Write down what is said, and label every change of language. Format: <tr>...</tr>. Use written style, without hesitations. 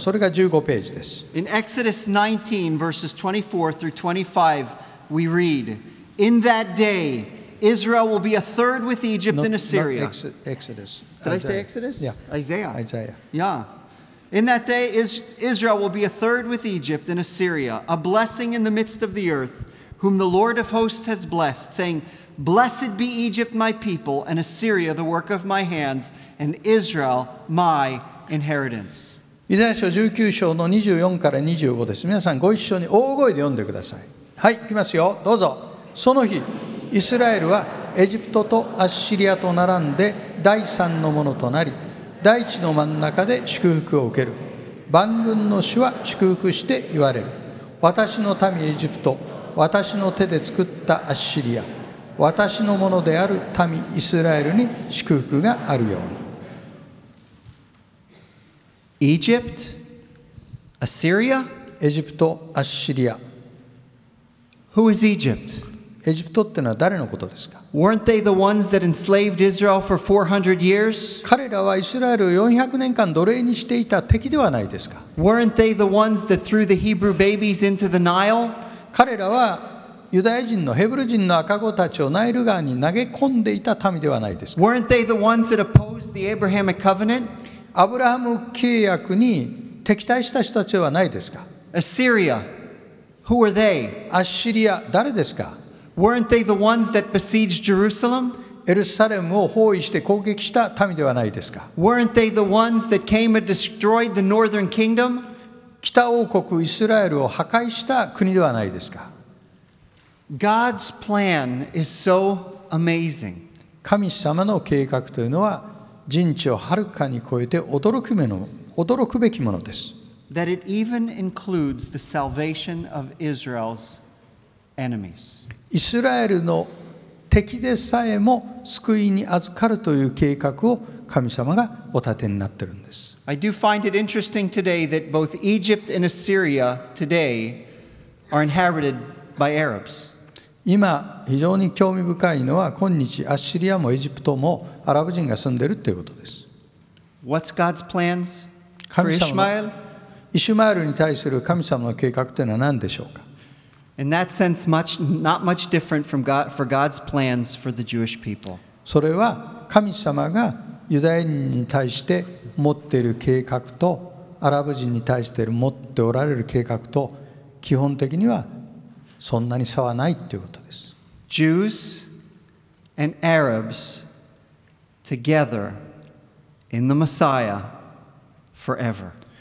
<ja>それが15ページです。</ja> <en>In Exodus 19 verses 24 through 25 we readIn that day, Israel will be a third with Egypt and Assyria. Exodus. Did I say Exodus? Yeah. Isaiah. Yeah. In that day, Israel will be a third with Egypt and Assyria, a blessing in the midst of the earth, whom the Lord of hosts has blessed, saying, Blessed be Egypt, my people, and Assyria, the work of my hands, and Israel, my inheritance.</en> <ja>イザヤ書19章の24から25です。皆さんご一緒に大声で読んでください。はい、行きますよ。どうぞ。その日イスラエルはエジプトとアッシリアと並んで第三のものとなり、大地の真ん中で祝福を受ける。万軍の主は祝福して言われる。私の民エジプト、私の手で作ったアッシリア、私のものである民イスラエルに祝福があるように。エジプト、アッシリア、エジプト、アッシリア。</ja> <en>Who is Egypt?</en> <ja>エジプトってのは誰のことですか?</ja> <en>Weren't they the ones that enslaved Israel for 400 years?</en> <ja>彼らはイスラエルを400年間奴隷にしていた敵ではないですか?</ja> <en>Weren't they the ones that threw the Hebrew babies into the Nile?</en> <ja>彼らはユダヤ人のヘブル人の赤子たちをナイル川に投げ込んでいた民ではないですか?</ja> <en>Weren't they the ones that opposed the Abrahamic covenant?</en> <ja>アブラハム契約に敵対した人たちではないですか?</ja> <en>Assyria, who were they?</en> <ja>アッシリア、誰ですか?</ja> <en>Weren't they the ones that besieged Jerusalem?</en> <ja>エルサレムを包囲して攻撃した民ではないですか?</ja> <en>Weren't they the ones that came and destroyed the northern kingdom?</en> <ja>北王国イスラエルを破壊した国ではないですか?</ja> <en>God's plan is so amazing.</en> <ja>神様の計画というのは人知をはるかに超えて驚くべきものです。</ja> <en>That it even includes the salvation of Israel's enemies.</en> <ja>イスラエルの敵でさえも救いに預かるという計画を神様がお立てになっているんです。</ja> <en>I do find it interesting today that both Egypt and Assyria today are inhabited by Arabs.</en> <ja>今非常に興味深いのは今日アッシリアもエジプトもアラブ人が住んでいるということです。</ja> <en>What's God's plans for Ishmael?</en> <ja>イシュマエルに対する神様の計画というのは何でしょうか?</ja> <en>In that sense, much, not much different from God, for God's plans for the Jewish people.</en> <ja>それは神様がユダヤ人に対して持っている計画とアラブ人に対して持っておられる計画と基本的にはそんなに差はないということです。</ja> <en>Jews and Arabs together in the Messiah forever.</en>